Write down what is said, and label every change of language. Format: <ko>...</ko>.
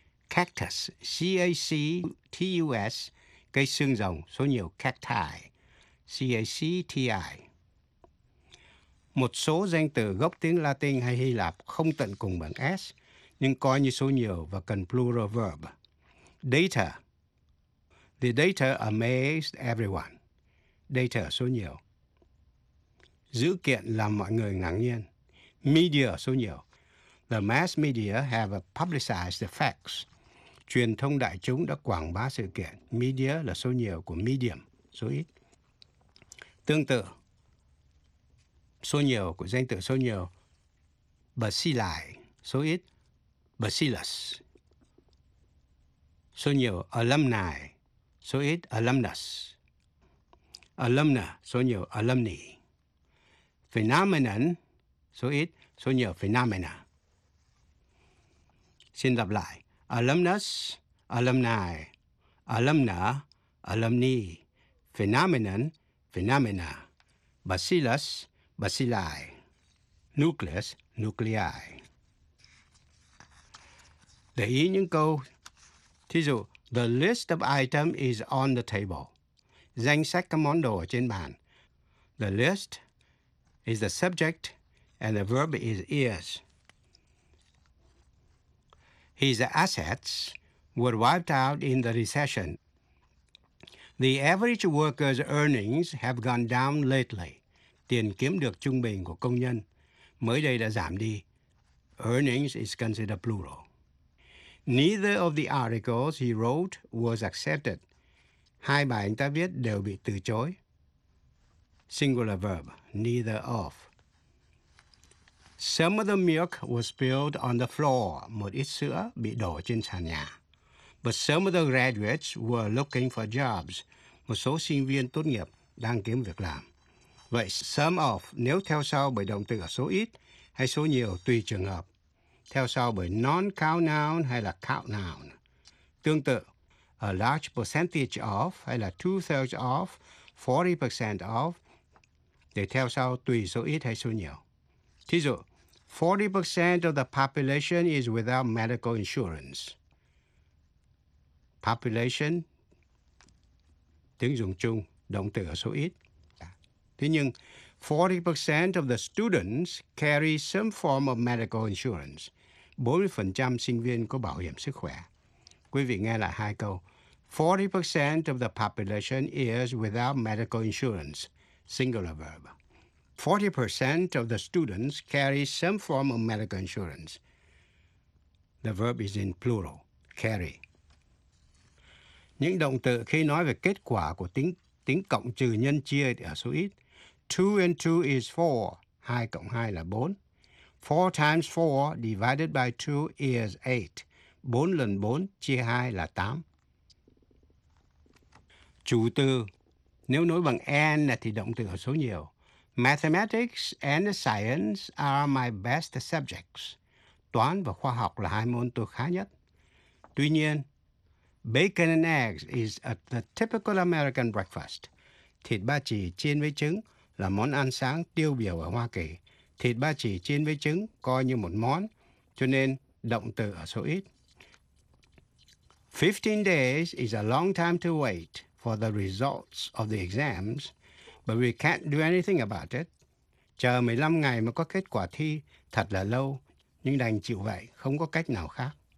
<en>Cactus, C-A-C-T-U-S,</en> <vi>cây xương rồng, số nhiều,</vi> <en>cacti, C-A-C-T-I.</en> <vi>Một số danh từ gốc tiếng Latin hay Hy Lạp không tận cùng bằng S, nhưng coi như số nhiều và cần</vi> <en>plural verb. Data. The data amazed everyone.</en> <vi>Data số nhiều. Dữ kiện làm mọi người ngạc nhiên. Media số nhiều.</vi> <en>The mass media have publicized the facts.</en> <vi>Truyền thông đại chúng đã quảng bá sự kiện. Media là số nhiều của medium, số ít. Tương tự, số nhiều của danh từ số nhiều. Bacilli, số ít. Bacillus. Số nhiều alumni, số ít alumnus. Alumna, số nhiều alumni. Phenomenon, số ít, số nhiều phenomena. Xin lặp lại. Alumnus, alumni, alumna, alumni, phenomenon, phenomena, bacillus, bacilli, nucleus, nuclei. Để ý những câu, thí dụ,</vi> <en>the list of items is on the table.</en> <vi>Danh sách các món đồ ở trên bàn.</vi> <en>The list is the subject and the verb is is. His assets were wiped out in the recession. The average worker's earnings have gone down lately.</en> <vi>Tiền kiếm được trung bình của công nhân mới đây đã giảm đi.</vi> <en>Earnings is considered plural. Neither of the articles he wrote was accepted.</en> <vi>Hai bài anh ta viết đều bị từ chối.</vi> <en>Singular verb, neither of. Some of the milk was spilled on the floor.</en> <vi>Một ít sữa bị đổ trên sàn nhà.</vi> <en>But some of the graduates were looking for jobs.</en> <vi>Một số sinh viên tốt nghiệp đang kiếm việc làm. Vậy,</vi> <en>some of,</en> <vi>nếu theo sau bởi động từ ở số ít hay số nhiều tùy trường hợp. Theo sau bởi non-count noun hay là count noun. Tương tự,</vi> <en>a large percentage of</en> <vi>hay là</vi> <en>two-thirds of, 40% of.</en> <vi>Để theo sau tùy số ít hay số nhiều. Thí dụ,</vi> <en>40% of the population is without medical insurance.</en> <vi>Population, tiếng dùng chung, động từ ở số ít. Thế nhưng,</vi> <en>40% of the students carry some form of medical insurance.</en> <vi>40% sinh viên có bảo hiểm sức khỏe. Quý vị nghe lại hai câu.</vi> <en>40% of the population is without medical insurance. Singular verb. 40% of the students carry some form of medical insurance. The verb is in plural, carry.</en> <vi>Những động từ khi nói về kết quả của tính cộng trừ nhân chia ở số ít.</vi> <en>2 and 2 is 4.</en> <vi>2 cộng 2 là 4.</vi> <en>4 times 4 divided by 2 is 8.</en> <vi>4 lần 4 chia 2 là 8. Chủ từ, nếu nối bằng and thì động từ ở số nhiều.</vi> <en>Mathematics and science are my best subjects.</en> <vi>Toán và khoa học là hai môn tôi khá nhất. Tuy nhiên,</vi> <en>bacon and eggs is the typical American breakfast.</en> <vi>Thịt ba chỉ chiên với trứng là món ăn sáng tiêu biểu ở Hoa Kỳ. Thịt ba chỉ chiên với trứng coi như một món, cho nên động từ ở số ít.</vi> <en>15 days is a long time to wait for the results of the exams. But we can't do anything about it.</en> <vi>Chờ 15 ngày mới có kết quả thi, thật là lâu. Nhưng đành chịu vậy, không có cách nào khác.</vi>